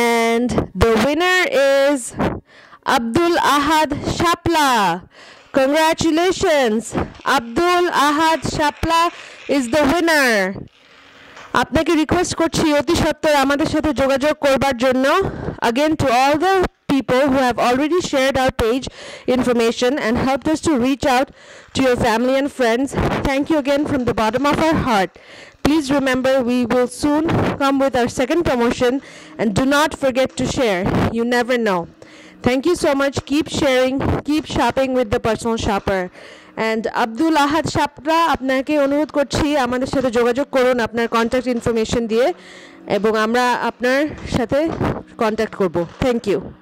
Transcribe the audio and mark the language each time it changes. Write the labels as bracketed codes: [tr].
[en] And the winner is Abdul Ahad Shapla. Congratulations, Abdul Ahad Shapla is the winner. [bn] আপনাকে request করছি অতি সত্বর আমাদের সাথে যোগাযোগ করবার জন্য। [en] Again to all the people who have already shared our page information and helped us to reach out to your family and friends, thank you again from the bottom of our heart. Please remember, we will soon come with our second promotion, and do not forget to share. You never know. Thank you so much. Keep sharing. Keep shopping with the personal shopper. [bn] And Abdul Ahad Shapra, আপনাকে অনুরোধ করছি আমাদের সাথে যোগাযোগ করুন আপনার contact information দিয়ে, এবং আমরা আপনার সাথে কন্ট্যাক্ট করব। Thank you.